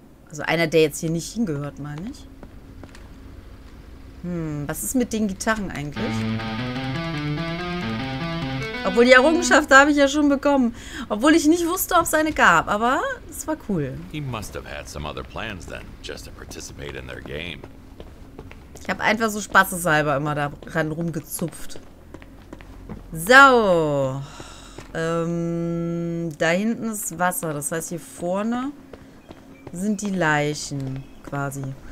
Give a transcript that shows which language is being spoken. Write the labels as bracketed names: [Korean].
[German] Also einer, der jetzt hier nicht hingehört, meine ich. Hm, was ist mit den Gitarren eigentlich? Obwohl, die Errungenschaft habe ich ja schon bekommen. Obwohl ich nicht wusste, ob es eine gab, aber es war cool. [English] He must have had some other plans then, just to participate in their game. [German] Ich habe einfach so spaßeshalber immer da dran rumgezupft. So. Da hinten ist Wasser. Das heißt, hier vorne sind die Leichen quasi.